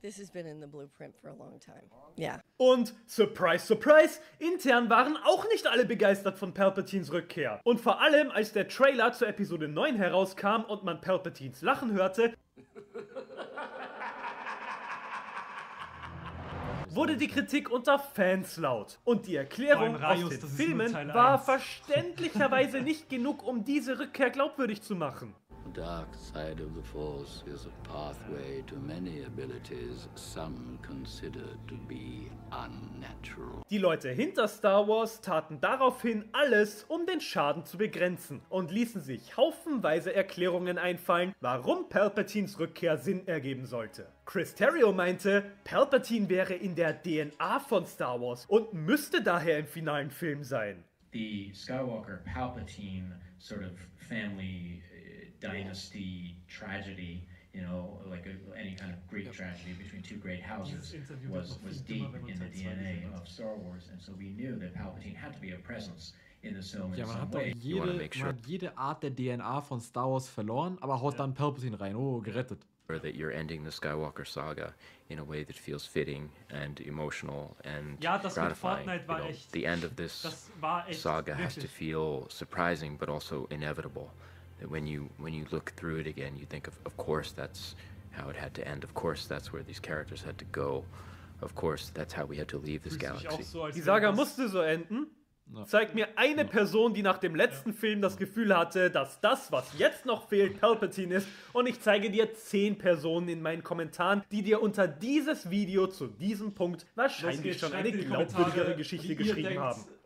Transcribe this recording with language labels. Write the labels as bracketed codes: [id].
[en] This has been in the blueprint for a long time. Yeah. [de] Und [en] surprise, surprise, [de] intern waren auch nicht alle begeistert von Palpatines Rückkehr. Und vor allem, als der Trailer zur Episode 9 herauskam und man Palpatines Lachen hörte, wurde die Kritik unter Fans laut. Und die Erklärung aus den Filmen war verständlicherweise nicht genug, um diese Rückkehr glaubwürdig zu machen. [en] The dark side of the Force is a pathway to many abilities some consider to be unnatural. [de] Die Leute hinter Star Wars taten daraufhin alles, um den Schaden zu begrenzen und ließen sich haufenweise Erklärungen einfallen, warum Palpatines Rückkehr Sinn ergeben sollte. Chris Terrio meinte, Palpatine wäre in der DNA von Star Wars und müsste daher im finalen Film sein. [en] The Skywalker Palpatine sort of family dynasty tragedy, you know, like any kind of Greek tragedy between two great houses was deep in the DNA of Star Wars, and so we knew that Palpatine had to be a presence in the film in some way. [de] Man hat jede Art der DNA von Star Wars verloren, aber haut dann Palpatine rein. Oh, gerettet. [en] Or that you're ending the Skywalker saga in a way that feels fitting and emotional and gratifying. [de] Ja, das war echt. [en] The end of this saga has to feel surprising but also inevitable. When you look through it again, you think of course that's how it had to end. Of course that's where these characters had to go. Of course that's how we had to leave this galaxy. [de] Die Saga musste so enden. Zeigt mir eine Person, die nach dem letzten Film das Gefühl hatte, dass das, was jetzt noch fehlt, Palpatine ist. Und ich zeige dir 10 Personen in meinen Kommentaren, die dir unter dieses Video zu diesem Punkt wahrscheinlich schon eine glaubwürdigere Geschichte geschrieben haben.